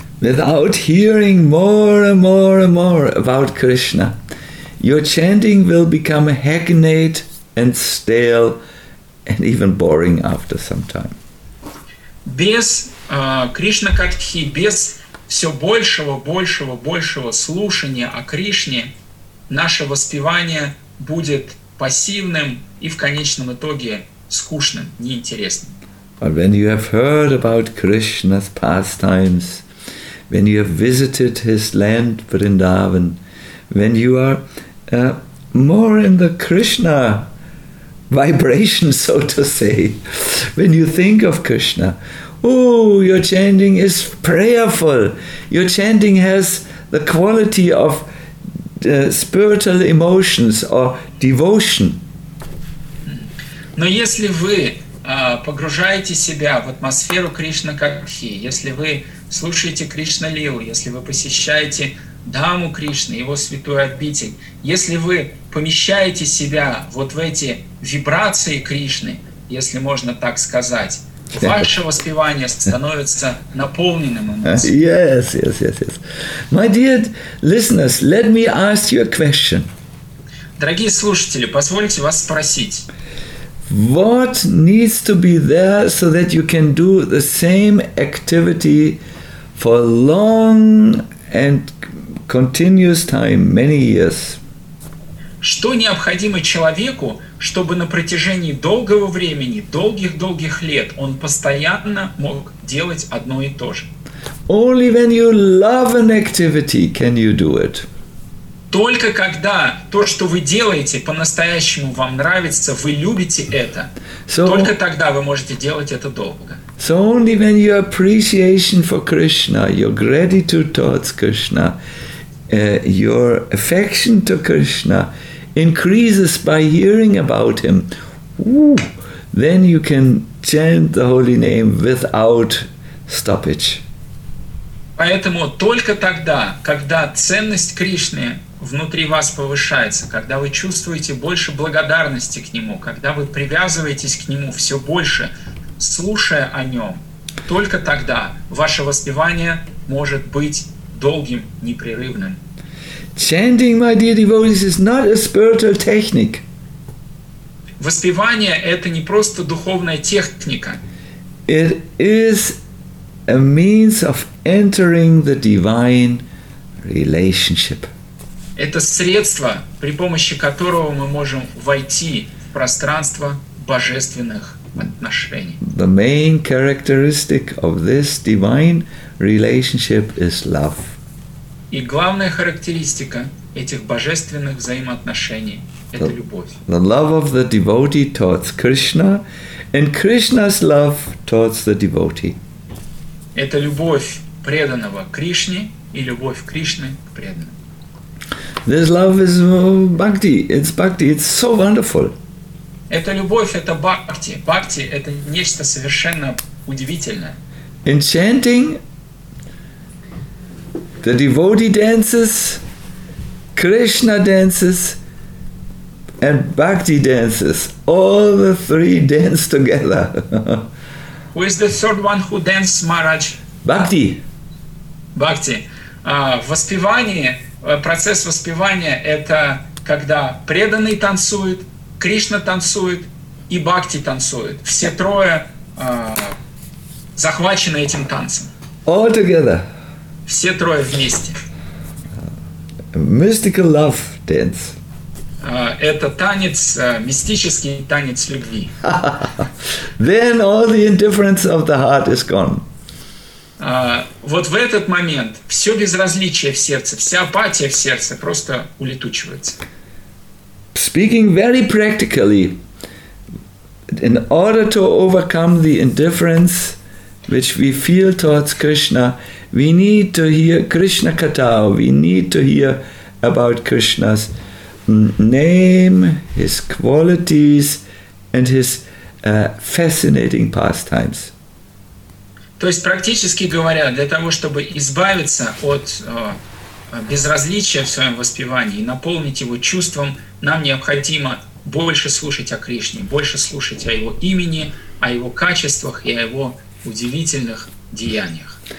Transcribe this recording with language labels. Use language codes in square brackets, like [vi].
[en] Without hearing more and more and more about Krishna, your chanting will become hackneyed and stale and even boring after some time. [ru] Без Кришна Катхи, без все большего слушания о Кришне, наше воспевание будет пассивным и в конечном итоге скучным, неинтересным. [en] But when you have heard about Krishna's pastimes, when you have visited his land Vrindavan, when you are more in the Krishna vibration, so to say, when you think of Krishna, oh, your chanting is prayerful. Your chanting has the quality of spiritual emotions or devotion. [ru] Но если вы погружаете себя в атмосферу Кришна Катхи, если вы слушаете Кришна Лилу, если вы посещаете Даму Кришны, его святую обитель, если вы помещаете себя вот в эти вибрации Кришны, если можно так сказать, ваше воспевание становится наполненным эмоциями. [en] Yes, yes, yes, yes. My dear listeners, let me ask you a question. [ru] Дорогие слушатели, позвольте вас спросить. [en] What needs to be there so that you can do the same activity for long and continuous time, many years? [ru] Что необходимо человеку, чтобы на протяжении долгого времени, долгих лет, он постоянно мог делать одно и то же. [en] Only when you love an activity can you do it. [ru] Только когда то, что вы делаете, по-настоящему вам нравится, вы любите это, so, только тогда вы можете делать это долго. [en] So only when your appreciation for Krishna, your gratitude towards Krishna, your affection to Krishna increases by hearing about him, then you can chant the holy name without stoppage. [ru] Поэтому только тогда, когда ценность Кришны внутри вас повышается, когда вы чувствуете больше благодарности к нему, когда вы привязываетесь к нему все больше, слушая о нем, только тогда ваше воспевание может быть долгим, непрерывным. [en] Chanting, my dear devotees, is not a spiritual technique. [ru] Воспевание – это не просто духовная техника. [en] It is a means of entering the divine relationship. [ru] Это средство, при помощи которого мы можем войти в пространство божественных отношений. [en] The main characteristic of this divine relationship is love. [ru] И главная характеристика этих божественных взаимоотношений – это любовь. [en] The love of the devotee towards Krishna and Krishna's love towards the devotee. [ru] Это любовь преданного Кришне и любовь Кришны к преданным. [en] This love is bhakti. It's bhakti. It's so wonderful. [ru] Эта любовь – это бхакти. Бхакти – это нечто совершенно удивительное. [en] In chanting, the devotee dances, Krishna dances, and Bhakti dances. All the three dance together. Who is the third one who dances, Maharaj? Bhakti. Bhakti. [ru] Воспевание, процесс воспевания – это когда преданный танцует, Кришна танцует и Бхакти танцует. Все трое захвачены этим танцем. [en] All together. [ru] Все трое вместе. [en] mystical love dance. [ru] Это танец, мистический танец любви. [en] Then all the indifference of the heart is gone. [ru] Вот в этот момент все безразличие в сердце, вся апатия в сердце просто улетучивается. [en] Speaking very practically, in order to overcome the indifference which we feel towards Krishna, we need to hear Krishna Katha, we need to hear about Krishna's name, his qualities, and his fascinating pastimes. [ru] То есть, практически говоря, для того, чтобы избавиться от безразличия в своем воспевании и наполнить его чувством, нам необходимо больше слушать о Кришне, больше слушать о его имени, о его качествах и о его удивительных деяниях.